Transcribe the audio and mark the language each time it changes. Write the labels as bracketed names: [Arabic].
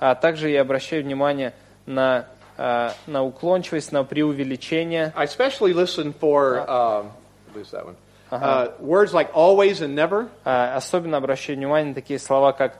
[Russian] Также я обращаю внимание на уклончивость, на преувеличение. [English] I especially listen for lose that one. Words like always and never. [Russian] Особенно обращаю внимание на такие слова, как